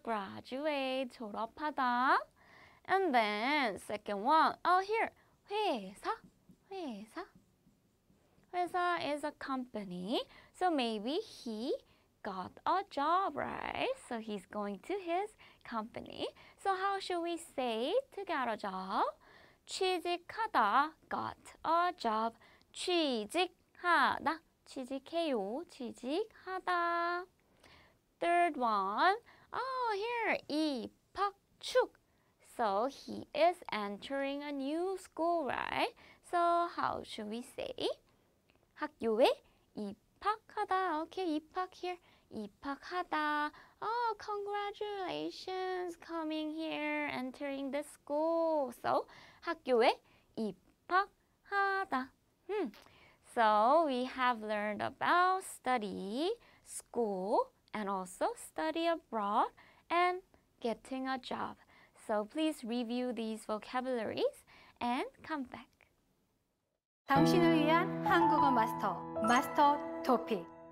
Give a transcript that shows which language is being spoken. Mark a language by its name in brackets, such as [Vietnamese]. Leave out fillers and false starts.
[English] Graduate. [Korean] 졸업하다. [English] And then second one. Oh, here. [Korean] 회사. 회사. [English] 회사 is a company. So maybe he got a job, right? So he's going to his company. So how should we say to get a job? [Korean] 취직하다, [English] got a job. [Korean] 취직하다, 취직해요, 취직하다. [English] Third one. Oh, here, [Korean] 입학 축. [English] So he is entering a new school, right? So how should we say? [Korean] 학교에 입학하다. [English] Okay, 입학 here. [Korean] 입학하다. [English] Oh, congratulations, coming here, entering the school. [Korean] So, 학교에 입학하다. [English] So, we have learned about study, school, and also study abroad, and getting a job. So, please review these vocabularies and come back. [Korean] 당신을 위한 한국어 마스터, 마스터 토픽.